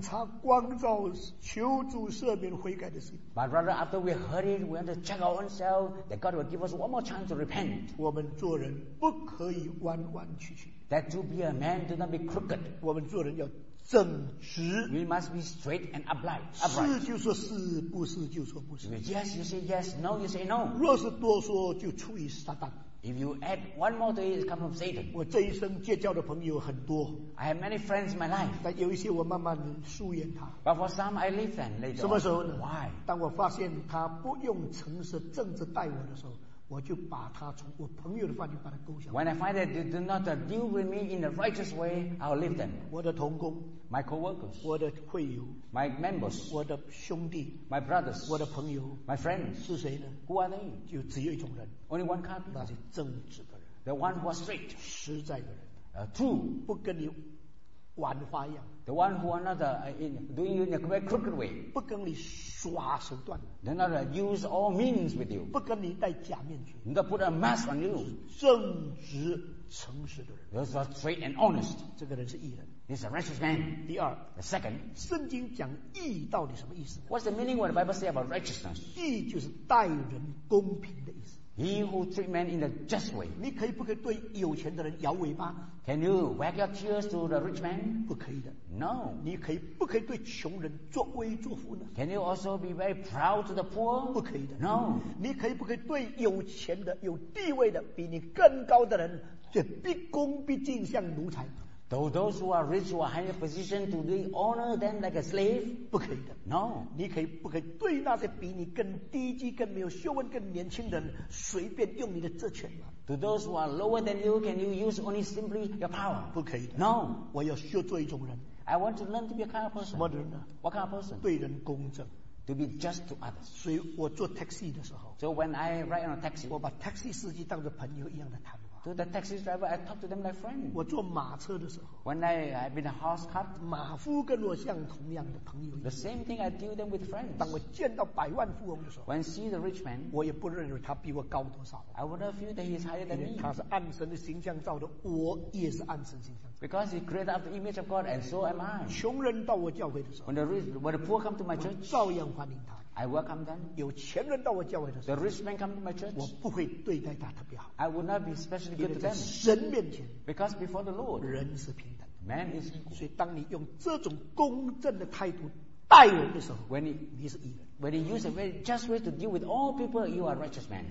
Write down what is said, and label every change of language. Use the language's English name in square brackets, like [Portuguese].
[Chinese] 盼望每次上帝的道，我们听进去以后，就给我们有个改变，给我们一个悔改的机会，给我们一个审查光照，求主赦免悔改的心。 [English] But rather after we heard it, we want to check ourselves that God will give us one more chance to repent. [Chinese] 我们做人不可以弯弯曲曲。 [English] That to be a man do not be crooked. [Chinese] 我们做人要正直。 [English] We must be straight and upright. [Chinese] 是就说是，不是就说不是。 [English] Yes, you say yes. No, you say no. [Chinese] 若是多说，就出于撒旦。 [English] If you add one more to it, it comes from Satan. [Chinese] 我这一生结交的朋友很多。 [English] I have many friends in my life. [Chinese] 但有一些我慢慢疏远他。 [English] But for some, I leave them later. [Chinese] 什么时候呢？ [English] Why? [Chinese] 当我发现他不用诚实正直待我的时候， 我就把他从我朋友的范围把他勾下来。 [English] When I find that they do not deal with me in the righteous way, I'll leave them. [Chinese] 我的同工， [English] my co-workers, [Chinese] 我的会友， [English] my members, [Chinese] 我的兄弟， [English] my brothers, [Chinese] 我的朋友， [English] my friends. [Chinese] 是谁呢？ [English] Who are they? [Chinese] 就只有一种人， [English] only one kind. [Chinese] 那是正直的人， [English] the one who are straight, [Chinese] 实在的人， [English] true, [Chinese] 不跟你玩花样， [English] the one who are not doing you in a very crooked way, [Chinese] 不跟你 耍手段， [English] they're not use all means with you. [Chinese] 不跟你戴假面具， [English] not put a mask on you. [Chinese] 正直诚实的人， [English] those are straight and honest. [Chinese] 这个人是义人， [English] he's a righteous man. [Chinese] 第二， [English] the second, [Chinese] 圣经讲义到底什么意思？ [English] What's the meaning of the Bible say about righteousness? [Chinese] 义就是待人公平的意思。 [English] He who treats men in a just way. [Chinese] 你可以不可以对有钱的人摇尾巴？ [English] Can you wag your tears to the rich man? [Chinese] 不可以的。 [English] No. [Chinese] 你可以不可以对穷人作威作福呢？ [English] Can you also be very proud to the poor? [Chinese] 不可以的。 [English] No. [Chinese] 你可以不可以对有钱的、有地位的、比你更高的人，就毕恭毕敬，像奴才？ [English] Do those who are rich or high in a position to be honor them like a slave? [Chinese] 不可以的。 [English] No. [Chinese] 你可以不可以对那些比你更低级、更没有学问、更年轻的人随便用你的职权吗？ [English] To those who are lower than you, can you use only simply your power? [Chinese] 不可以的。 [English] No. [Chinese] 我要学做一种人。 [English] I want to learn to be a kind of person. [Chinese] 什么人呢？ [English] What kind of person? [Chinese] 对人公正。 [English] To be just to others. [Chinese] 所以我坐 taxi 的时候， [English] So when I ride on a taxi, [Chinese] 我把 taxi 司机当作朋友一样的谈话。 [English] To the taxi driver, I talk to them like friends. [Chinese] 我坐马车的时候 [English] ，When I've been a horse cart, [Chinese] 马夫跟我像同样的朋友。 [English] The same thing I deal them with friends. [Chinese] 当我见到百万富翁的时候 [English] ，When see the rich man, [Chinese] 我也不认为他比我高多少。 [English] I would not feel that he's higher than me. [Chinese] 他是按神的形象造的，我也是按神形象。 [English] Because he created after the image of God, and so am I. [Chinese] 穷人到我教会的时候 [English] ，When the poor come to my church, [Chinese] 照样欢迎他。 [English] I welcome them. [Chinese] 有钱人到我教会的时候 [English] ，The rich man come to my church, [Chinese] 我不会对待他特别好。 [English] I would not be specially good to them. [Chinese] 神面前 [English] ，Because before the Lord, [Chinese] 人是平等的 [English] ，Man is equal. [Chinese] 所以当你用这种公正的态度待人的时候 [English] ，When you [Chinese] 你是义人 [English] ，When you use a very just way to deal with all people, you are a righteous man.